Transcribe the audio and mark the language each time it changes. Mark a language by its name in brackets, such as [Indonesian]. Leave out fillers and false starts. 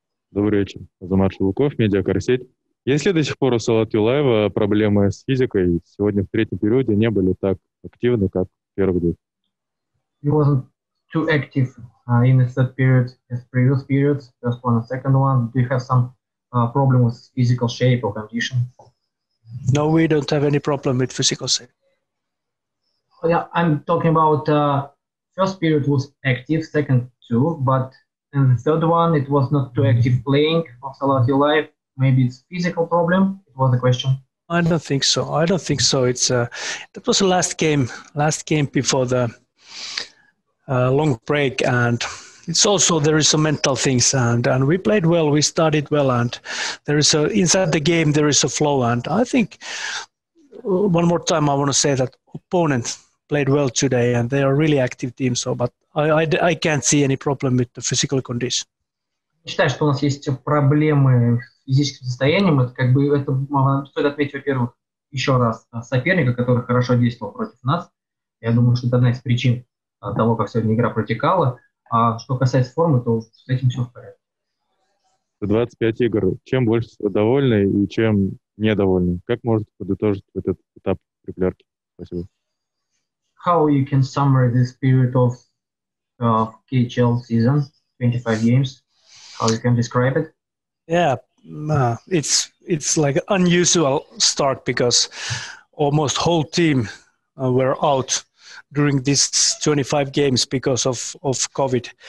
[Russian] Добрый вечер. Азамат Шелуков, Медиакарсеть. Есть ли до сих пор у Салат Юлаева проблемы с физикой? Сегодня в третьем периоде не были так активны, как в первый день. [English] He wasn't too active in the third period as previous periods, first one and second one. Do you have some problem with physical shape or condition? No, we don't have any problem with physical shape. Yeah, I'm talking about first period was active, second too, but in the third one it was not too active playing of Салат Юлаев. Maybe it's physical problem. It was the question. I don't think so. It's that was the last game before the long break, and It's also there is some mental things, and we played well, we started well, and there is a inside the game there is a flow, and I think one more time I want to say that opponent played well today, and they are really active team. So, but I can't see any problem with the physical condition. [Russian] Я считаю, что у нас есть проблемы с физическим состоянием. Это как бы это стоит отметить, во-первых, еще раз соперника, который хорошо действовал против нас. Я думаю, что это одна из причин того, как сегодня игра протекала. А что касается формы, то с этим все в порядке. 25 игр. Чем больше довольны и чем недовольны? Как можете подытожить этот этап регулярки? Спасибо. [English] How you can summary this period of KHL season, 25 games? How you can describe it? Yeah, it's like an unusual start because almost whole team were out during these 25 games because of COVID.